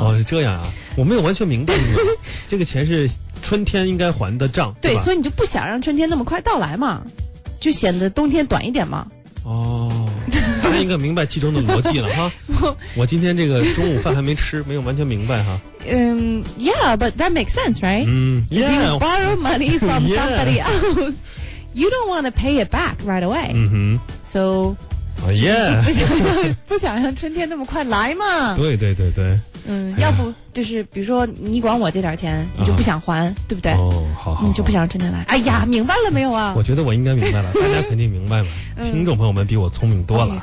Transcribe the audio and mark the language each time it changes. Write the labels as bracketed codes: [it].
[zh] 哦，是这样啊，我没有完全明白你。这个钱是春天应该还的账，对吧？所以你就不想让春天那么快到来嘛，就显得冬天短一点嘛。哦，大家应该明白其中的逻辑了哈。我今天这个中午饭还没吃，没有完全明白哈。 [en] Yeah, but that makes sense, right? Yeah. If you borrow money from somebody else, you don't want to pay it back right away. [zh] 嗯哼。 [en] So, Oh, yeah. [zh] 不想让春天那么快来嘛。对对对对。要不就是比如说你管我借点钱、你就不想还、对不对？哦，好你就不想让春天来。哎呀、明白了没有啊？我觉得我应该明白了，大家肯定明白嘛。听众朋友们比我聪明多了、